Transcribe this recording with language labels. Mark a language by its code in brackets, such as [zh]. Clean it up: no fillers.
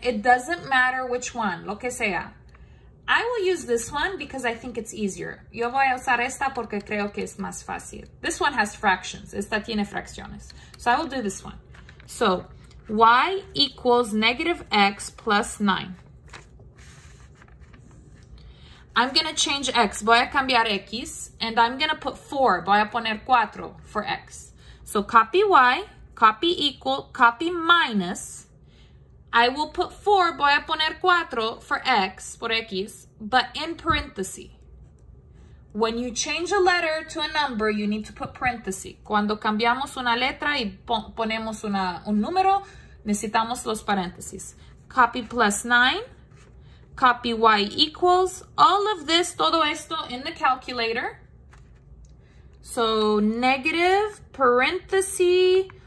[en] It doesn't matter which one, [es] lo que sea. [en] I will use this one because I think it's easier. [es] Yo voy a usar esta porque creo que es más fácil. [en] This one has fractions. [es] Esta tiene fracciones. [en] So I will do this one. So Y equals negative X plus 9. I'm going to change X. [es] Voy a cambiar X. [en] And I'm going to put 4. [es] Voy a poner 4 [en] for X. So copy Y. Copy equal, copy minus. I will put 4, [es] voy a poner 4 [en] for X, [es] por X, [en] but in parentheses. When you change a letter to a number, you need to put parentheses. [es] Cuando cambiamos una letra y ponemos un número, necesitamos los paréntesis. [en] Copy plus 9. Copy Y equals. All of this, [es] todo esto [en] in the calculator. So negative parentheses.